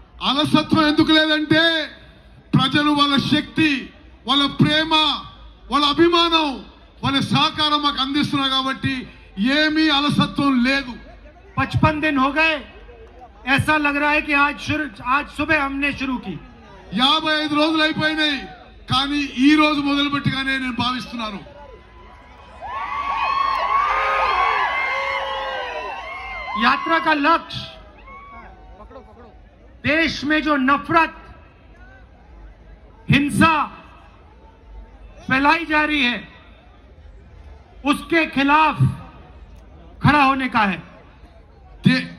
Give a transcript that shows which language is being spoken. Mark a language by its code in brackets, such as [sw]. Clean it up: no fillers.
[te] అలసత్వం ఎందుకు లేదంటే ప్రజలు వాళ్ళ శక్తి, వాళ్ళ ప్రేమ, వాళ్ళ అభిమానం, వాళ్ళ సహకారం మాకు అందిస్తున్నారు కాబట్టి ఏమీ అలసత్వం లేదు। [hi] 55 दिन हो गए, ऐसा लग रहा है कि आज सुबह हमने शुरू की। [te] 55 రోజులు అయిపోయినాయి కానీ ఈ రోజు మొదలుపెట్టగానే నేను భావిస్తున్నాను। [hi] यात्रा का लक्ष्य देश में जो नफरत, हिंसा फैलाई जा रही है उसके खिलाफ खड़ा होने का है।